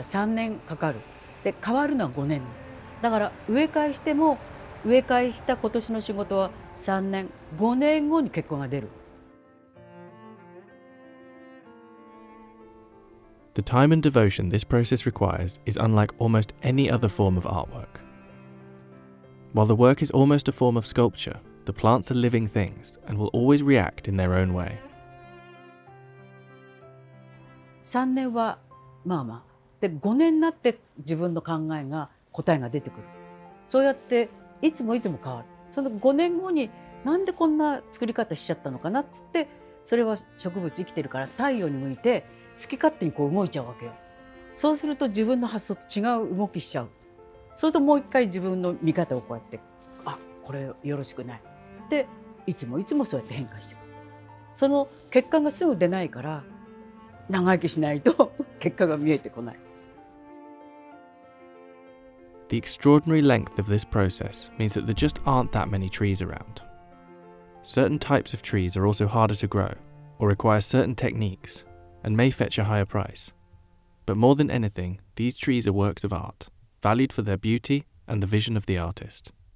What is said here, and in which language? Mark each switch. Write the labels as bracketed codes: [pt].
[ja] やっぱり絵だとかそういうのはもう完成したらそこからは何も変わっていかない。でも盆栽は変わっていくんですよね。それは自分の愛情とか管理で変わっていく。そうやっていつも安定してない、不安定感があるから、安定してないものに自分の愛情をかけて、自分ので植え替えしても新しい根を作ったら3年かかる。で変わるのは5年。 [en] The time and devotion this process requires is unlike almost any other form of artwork. While the work is almost a form of sculpture, the plants are living things and will always react in their own way. [ja] 3年はまあまあ。で、5年になって自分の考えが答えが出てくる。そうやっていつもいつも変わる。その5年後になんでこんな作り方しちゃったのかなっつって、それは植物生きてるから太陽に向いて好き勝手にこう動いちゃうわけよ。そうすると自分の発想と違う動きしちゃう。それともう一回自分の見方をこうやって、あ、これよろしくないって、いつもいつもそうやって変化していく。その結果がすぐ出ないから、長生きしないと結果が見えてこない。 [en] The extraordinary length of this process means that there just aren't that many trees around. Certain types of trees are also harder to grow or require certain techniques and may fetch a higher price. But more than anything, these trees are works of art, valued for their beauty and the vision of the artist.